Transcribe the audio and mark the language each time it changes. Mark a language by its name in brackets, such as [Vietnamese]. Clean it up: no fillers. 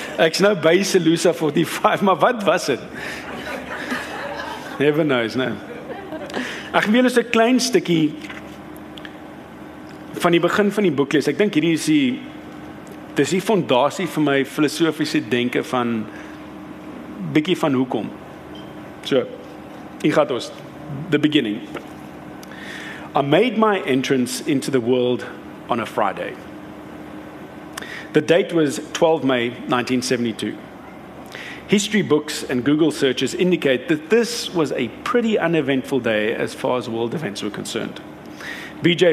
[Afrikaans] Ek's nou by Solusa 45, maar wat was dit? Never knows, nee. Ek wil net 'n klein stukkie van die begin van die boek lees. Ek dink hierdie is die dis die fondasie vir my filosofiese denke van bietjie van hoekom. [English] So, Ichatos, the beginning. I made my entrance into the world on a Friday. The date was 12 May 1972. History books and Google searches indicate that this was a pretty uneventful day as far as world events were concerned. B.J.